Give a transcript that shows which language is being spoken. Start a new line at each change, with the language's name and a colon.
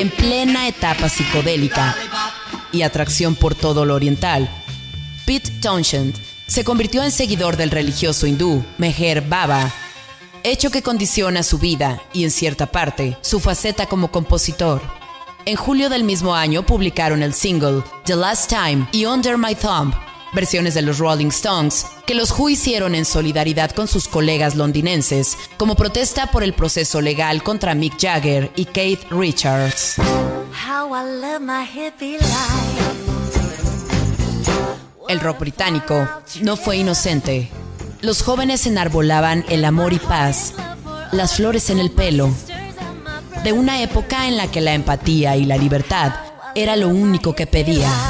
Spanish: En plena etapa psicodélica y atracción por todo lo oriental, Pete Townshend se convirtió en seguidor del religioso hindú Meher Baba, hecho que condiciona su vida y, en cierta parte, su faceta como compositor. En julio del mismo año publicaron el single The Last Time y Under My Thumb, versiones de los Rolling Stones, que los Who hicieron en solidaridad con sus colegas londinenses como protesta por el proceso legal contra Mick Jagger y Keith Richards.
English: How I love my hippie life.
Spanish: El rock británico no fue inocente. Los jóvenes enarbolaban el amor y paz, las flores en el pelo, de una época en la que la empatía y la libertad era lo único que pedía.